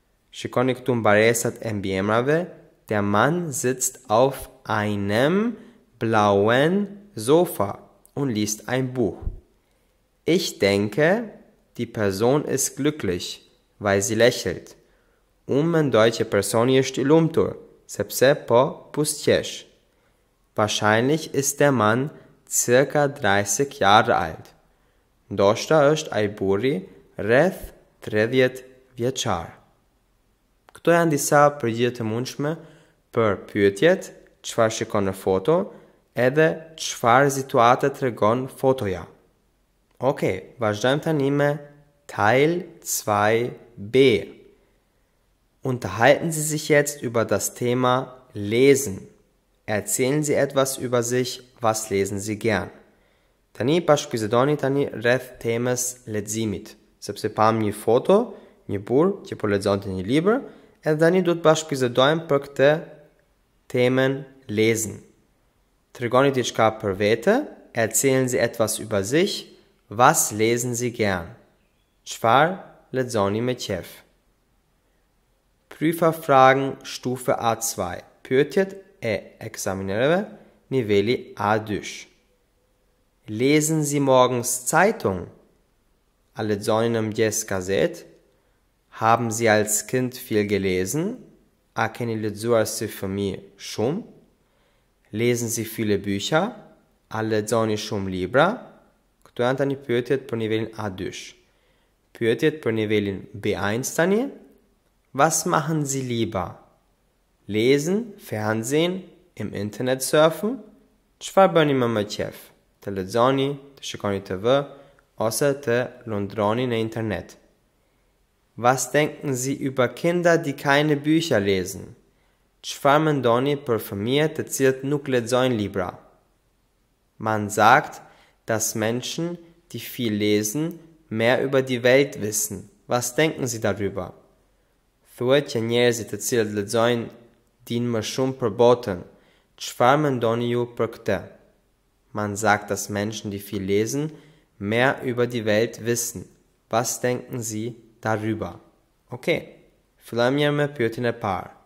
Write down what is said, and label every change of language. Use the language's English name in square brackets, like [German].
[Albanian] Shikoni këtu mbaresat e mbiemrave. [German] Der Mann sitzt auf einem blauen Sofa und liest ein Buch. Ich denke, die Person ist glücklich, weil sie lächelt. [Albanian] Mendoj personi është i lumtur, sepse po pushqesh. [German] Wahrscheinlich ist der Mann circa 30 Jahre alt. [Albanian] Ndoshta është ai burri rreth 30 vjeçar. Këto janë disa përgjigje të mundshme për pyetjet, çfarë shikon në foto, edhe çfarë situatë tregon fotoja. Okay, vazhdojmë tani me Teil 2b. [German] Unterhalten Sie sich jetzt über das Thema Lesen. Erzählen Sie etwas über sich, was lesen Sie gern? [Albanian] Tani bashkëbisedoni tani rreth temës leximit, sepse pam një foto, një burr që po lexonte një libër, edhe tani duhet bashkëbisedojmë për këtë temën lesen. Tregoni diçka për vete, [German] erzählen Sie etwas über sich, was lesen Sie gern? [Albanian] Çfarë lexoni me qef? [German] Prüferfragen Stufe A2. [Albanian] Pyetjet e ekzaminereve niveli A2. [German] Lesen Sie morgens Zeitung? [Albanian] A lexoni në mëngjes gazet? [German] Haben Sie als Kind viel gelesen? [Albanian] A keni lexuar si fëmijë shumë? [German] Lesen Sie viele Bücher? [Albanian] A lexoni shumë libra? Këto janë tani pyetjet për nivelin A2. Pyetjet për nivelin B1 tani. [German] Was machen Sie lieber? Lesen, Fernsehen, im Internet surfen? [Albanian] Çfarë bëni më më qef? Të lexoni, të shikoni TV ose të lundroni në internet? [German] Was denken Sie über Kinder, die keine Bücher lesen? [Albanian] Çfarë mendoni për fëmijët të cilët nuk lexojnë libra? [German] Man sagt, dass Menschen, die viel lesen, mehr über die Welt wissen. Was denken Sie darüber? [Albanian] Thuhet që njerëzit të cilët lexojnë dinë më shumë për botën. Çfarë mendoni ju për këtë? [German] Man sagt, dass Menschen, die viel lesen, mehr über die Welt wissen. Was denken Sie darüber? [Albanian] Okay, fillojmë me pyetjen e parë.